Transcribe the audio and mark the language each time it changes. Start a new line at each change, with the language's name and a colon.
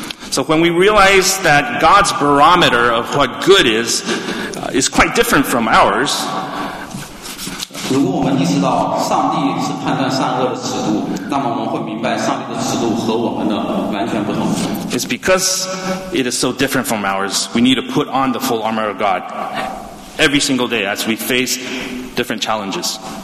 English: So when we realize that God's barometer of what good is quite different from ours,
Chinese: 如果我们意识到上帝是判断善恶的尺度，那么我们会明白上帝的尺度和我们的完全不同。
English: It's because it is so different from ours, we need to put on the full armor of God every single day as we face different challenges.